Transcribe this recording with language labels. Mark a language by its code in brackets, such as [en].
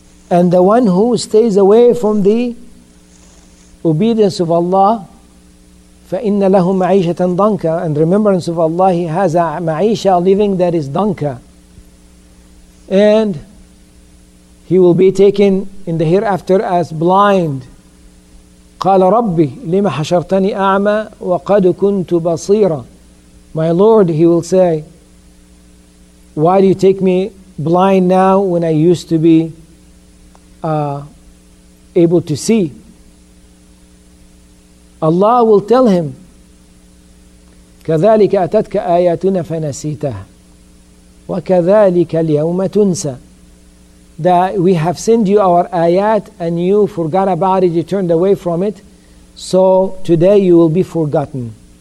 [en] And the one who stays away from the obedience of Allah, [ar] فَإِنَّ لَهُ مَعِيشَةً ضَنْكَ, [en] and remembrance of Allah, he has a ma'isha, living that is ضَنْكَ. And he will be taken in the hereafter as blind. [ar] قَالَ رَبِّ لِمَ حَشَرْتَنِي أَعْمَى وَقَدْ كُنْتُ بَصِيرًا. [en] My Lord, he will say, "Why do you take me blind now when I used to be able to see?" Allah will tell him, [ar] كَذَلِكَ أَتَتْكَ آيَاتُنَا فَنَسِيتَهَا وَكَذَلِكَ الْيَوْمَ تُنْسَى, [en] that we have sent you our ayat and you forgot about it, you turned away from it, so today you will be forgotten.